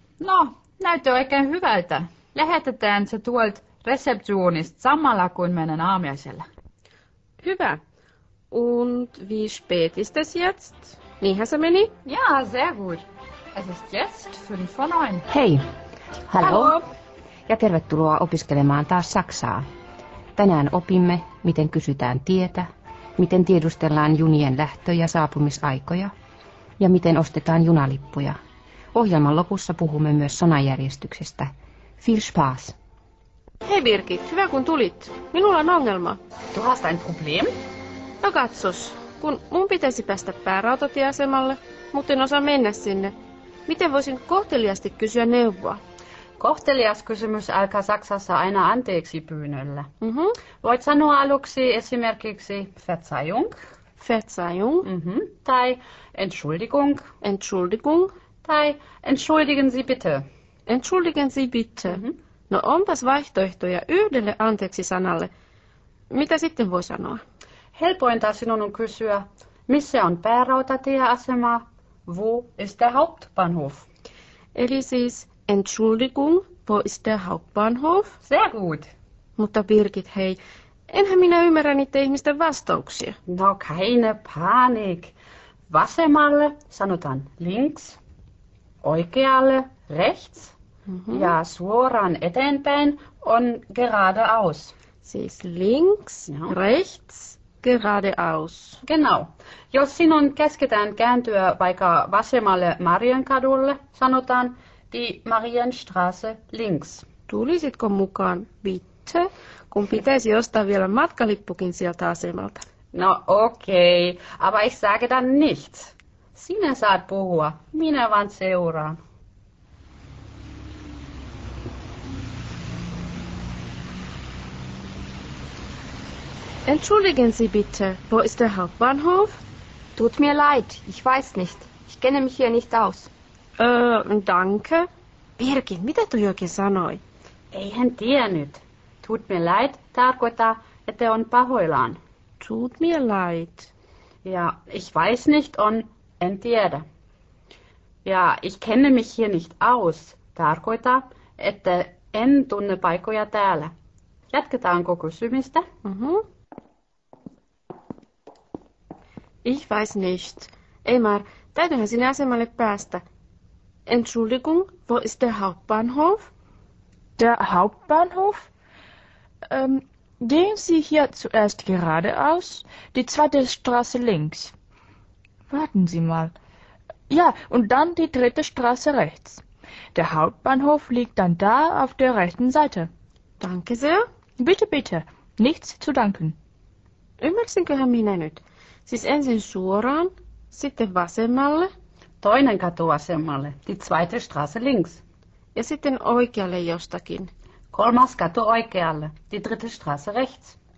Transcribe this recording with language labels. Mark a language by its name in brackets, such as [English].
[Finnish] No, näyttää oikein hyvältä. Lähetetään se tuolta reseptionista samalla kuin meidän aamiaisella. Hyvä. [German] Und wie spät ist es jetzt? [Finnish] Niinhän se meni? [German] Jaa, sehr gut. Es ist jetzt 5:09. [Finnish] Hei. [German] Hallo. Hallo. [Finnish] Ja tervetuloa opiskelemaan taas saksaa. Tänään opimme, miten kysytään tietä, miten tiedustellaan junien lähtö- ja saapumisaikoja ja miten ostetaan junalippuja. Ohjelman lopussa puhumme myös sanajärjestyksestä. [German] Viel Spaß. [Finnish] Hei Birgit, hyvä kun tulit. Minulla on ongelma. [German] Du hast ein Problem? [Finnish] No katsos, kun mun pitäisi päästä päärautatieasemalle, mutta en osaa mennä sinne. Miten voisin kohteliasti kysyä neuvoa? Kohtelias kysymys alkaa Saksassa aina anteeksi pyynnöllä. Mm-hmm. Voit sanoa aluksi esimerkiksi Verzeihung. [German] Verzeihung. [Finnish] Mm-hmm. Tai Entschuldigung. [German] Entschuldigung. Tai Entschuldigen Sie bitte. Entschuldigen Sie bitte. Mm-hmm. [Finnish] No onpas vaihtoehtoja yhdelle anteeksi sanalle. Mitä sitten voi sanoa? Helpointa sinun on kysyä, missä on päärautatieasema, [German] wo ist der Hauptbahnhof? [Finnish] Eli siis, [German] Entschuldigung, wo ist der Hauptbahnhof? Sehr gut. [Finnish] Mutta Birgit, hei, enhän minä ymmärrä niitä ihmisten vastauksia. [German] No keine Panik. [Finnish] Vasemmalle sanotaan links, oikealle rechts ja suoraan eteenpäin on geradeaus. [German] Siis links, rechts, geradeaus. Genau. [Finnish] Jos sinun käsketään kääntyä vaikka vasemmalle Marienkadulle, sanotaan [German] die Marienstraße links. [Finnish] Tulisitko mukaan, bitte, kun pitäisi ostaa vielä matkalippukin sieltä asemalta? No okei, okay. [German] Aber ich sage dann nichts. [Finnish] Sinä saat puhua, minä vaan seuraan. [German] Entschuldigen Sie bitte, wo ist der Hauptbahnhof? Tut mir leid, ich weiß nicht. Ich kenne mich hier nicht aus. Danke. [Finnish] Birgit, mitä toi oikein sanoi? Eihän tiennyt. [German] Tut mir leid [Finnish] tarkoittaa, että on pahoillaan. [German] Tut mir leid. Ja, ich weiß nicht [Finnish] on en tiedä. [German] Ja, ich kenne mich hier nicht aus [Finnish] tarkoittaa, että en tunne paikoja täällä. Jatketaanko kysymistä? [German] Ich weiß nicht. [Finnish] Emar, täytyyhän sinne asemalle päästä. [German] Entschuldigung, wo ist der Hauptbahnhof? Der Hauptbahnhof? Gehen Sie hier zuerst geradeaus, die zweite Straße links. Warten Sie mal. Ja, und dann die dritte Straße rechts. Der Hauptbahnhof liegt dann da auf der rechten Seite. Danke sehr. Bitte, bitte. Nichts zu danken. [Finnish] Ymmärsinkö hän minä nyt? Siis ensin suoraan, sitten vasemmalle. Toinen katu vasemmalle, [German] die zweite Straße links. [Finnish] Ja sitten oikealle jostakin. Kolmas katu oikealle, [German] die dritte Straße rechts.